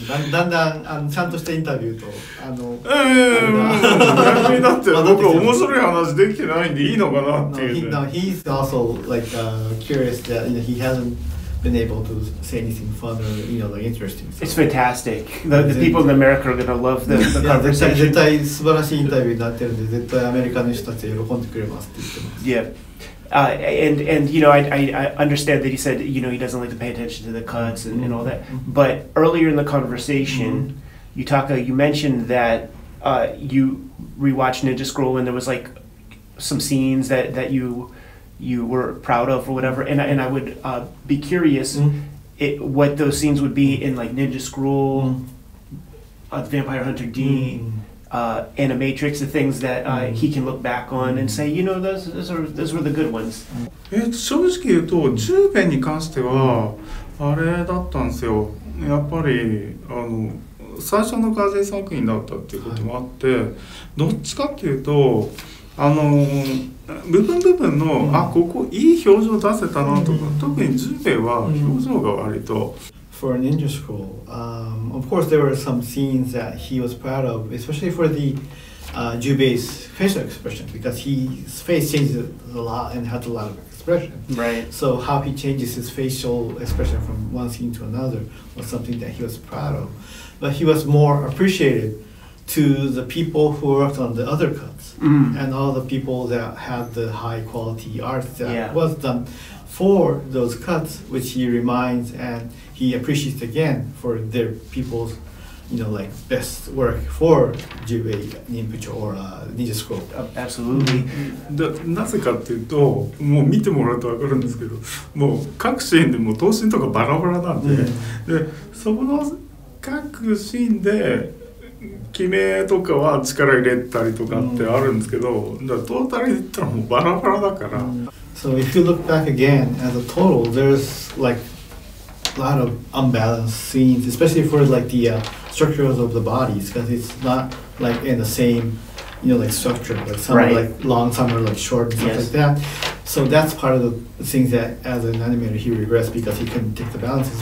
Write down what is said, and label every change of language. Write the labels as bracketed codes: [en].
[ja] だんだんあのちゃんとしたインタビューと、あの、逆にだって僕面白い話できてないんでいいのかなっていう、 [en] No, he's also like curious that, you know, he hasn't been able to say anything further, you know, like interesting. So. It's fantastic. The people in America are gonna love the conversation. [ja] 絶対素晴らしいインタビューになってるんで、絶対アメリカの人たちは喜んでくれますって言ってます。 [en] Yeah. And you know, I understand that he said, you know, he doesn't like to pay attention to the cuts and all that. But earlier in the conversation, Yutaka, you mentioned that you rewatched Ninja Scroll and there was like some scenes that you were proud of or whatever. And I would be curious what those scenes would be in like Ninja Scroll, Vampire Hunter D. Animatrix, the things that he can look back on and say, you know, those were the good ones. [ja] 正直言うと、十編に関してはあれだったんですよ。やっぱりあの最初の風作品だったっていうこともあって、どっちかっていうとあの部分部分の、あ、ここいい表情出せたなとか、特に十編は表情が割と。 [en] For Ninja Scroll, of course there were some scenes that he was proud of, especially for the Jubei's facial expression, because his face changes a lot and has a lot of expression. Right. So how he changes his facial expression from one scene to another was something that he was proud of. But he was more appreciated to the people who worked on the other cuts and all the people that had the high quality art that was done for those cuts, which he reminds and he appreciates again for their people's, you know, like best work for Jubei, Ninpucho, or Ninja Scroll. Absolutely. [ja] なぜかっていうと、もう見てもらうと分かるんですけど、もう各シーンでも等身とかバラバラなんで、で、そこの各シーンで、決めとかは力入れたりとかってあるんですけど、だからトータルで言ったらもうバラバラだから。 [en] So if you look back again as a total, there's like a lot of unbalanced scenes, especially for like the structures of the bodies, because it's not like in the same, you know, like structure, like some right. are like long, some are like short, and stuff like that. So that's part of the things that as an animator he regrets because he couldn't take the balances.